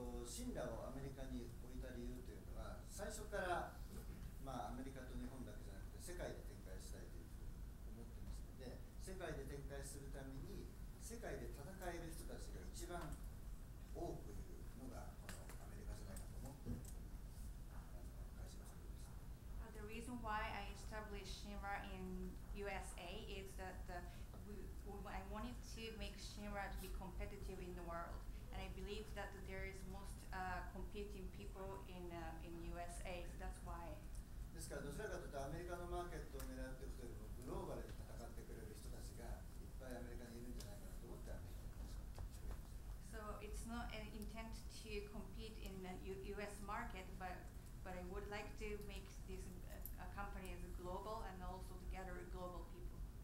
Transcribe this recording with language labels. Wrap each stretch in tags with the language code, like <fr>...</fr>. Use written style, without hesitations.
<ja>Shinra をアメリカに置いた理由というのは最初から、まあアメリカと日本だけじゃなくて世界で展開したいという思いがあったからです。世界で展開するために世界で戦える人たちが一番多くいるのがこのアメリカじゃないかと思って会社を作りました</ja> <en>The reason why I established Shinra in USA is that I wanted to make Shinra to be competitive in the world, and I believe that there is most competing people in USA. So that's why.</en> <ja>ですからどちらかというとアメリカのマーケットを狙っていくというよりもグローバルで戦ってくれる人たちがいっぱいアメリカにいるんじゃないかなと思ってアメリカに。</ja> <en>So it's not an intent to compete in the U.S. market, but I would like to make this a company as a global and also together with global people.</en>